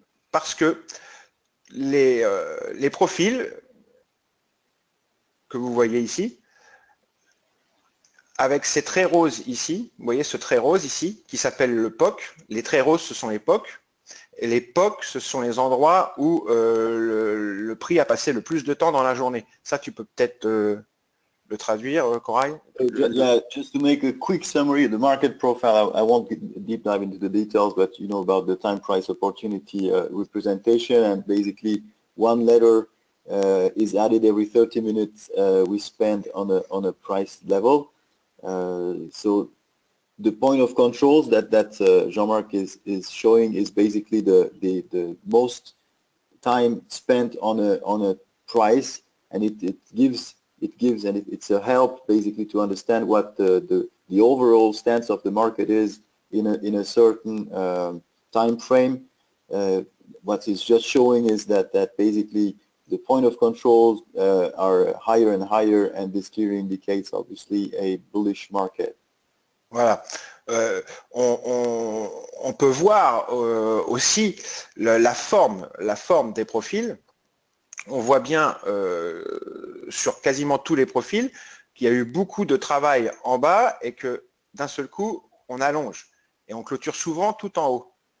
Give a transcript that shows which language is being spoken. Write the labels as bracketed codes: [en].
[fr] Parce que les profils que vous voyez ici, avec ces traits roses ici, vous voyez ce trait rose ici, qui s'appelle le POC. Les traits roses, ce sont les POC. Et les POC, ce sont les endroits où le prix a passé le plus de temps dans la journée. Ça, tu peux peut-être le traduire, Corail. [en] Just to make a quick summary of the market profile, I won't deep dive into the details, but you know about the time price opportunity representation. And basically, one letter is added every 30 minutes we spend on a price level. So the point of controls that Jean-Marc is showing is basically the most time spent on a price, and it's a help basically to understand what the overall stance of the market is in a certain time frame. What it's just showing is that basically the point of controls are higher and higher, and this clearly indicates obviously a bullish market. [fr] Voilà. On peut voir aussi la forme des profils. On voit bien sur quasiment tous les profils qu'il y a eu beaucoup de travail en bas et que d'un seul coup, on allonge et on clôture souvent tout en haut.